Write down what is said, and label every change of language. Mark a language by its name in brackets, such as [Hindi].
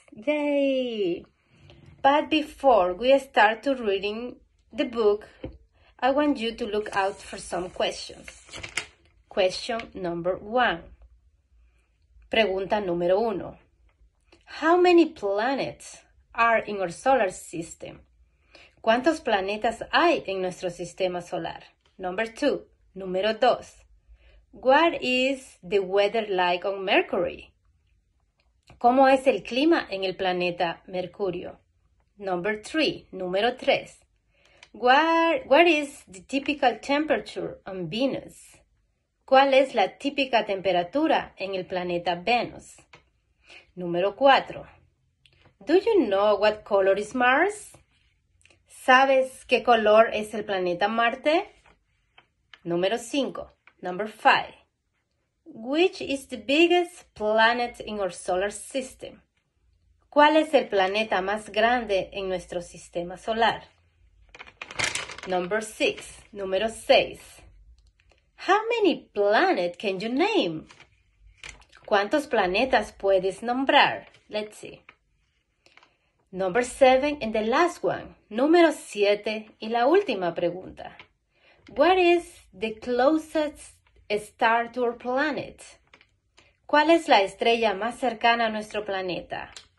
[English] Yay! But before we start to reading the book, I want you to look out for some questions. Question number one. [Spanish] Pregunta número uno. [English] How many planets are in our solar system? [Spanish] ¿Cuántos planetas hay en nuestro sistema solar? [English] Number two. [Spanish] Número dos. [English] What is the weather like on Mercury? [Spanish] ¿Cómo es el clima en el planeta Mercurio? [English] Number three. [Spanish] Número tres. [English] What is the typical temperature on Venus? [Spanish] ¿Cuál es la típica temperatura en el planeta Venus? Número 4. [English] Do you know what color is Mars? [Spanish] ¿Sabes qué color es el planeta Marte? Número 5. [English] Number 5. Which is the biggest planet in our solar system? [Spanish] ¿Cuál es el planeta más grande en nuestro sistema solar? [English] Number 6. [Spanish] Número 6. [English] How many planets can you name? [Spanish] ¿Cuántos planetas puedes nombrar? [English] Let's see. Number 7 and the last one. [Spanish] Número 7 y la última pregunta. [English] What is the closest star to our planet? [Spanish] ¿Cuál es la estrella más cercana a nuestro planeta?